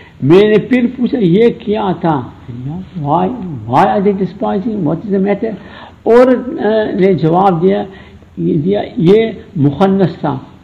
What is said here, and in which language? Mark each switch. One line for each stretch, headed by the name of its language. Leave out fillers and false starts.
Urdu: میں نے پھر پوچھا یہ کیا تھا.
English: Why are they despise hmm what is the matter.
Urdu: عورت نے جواب دیا یہ مخنث تھا.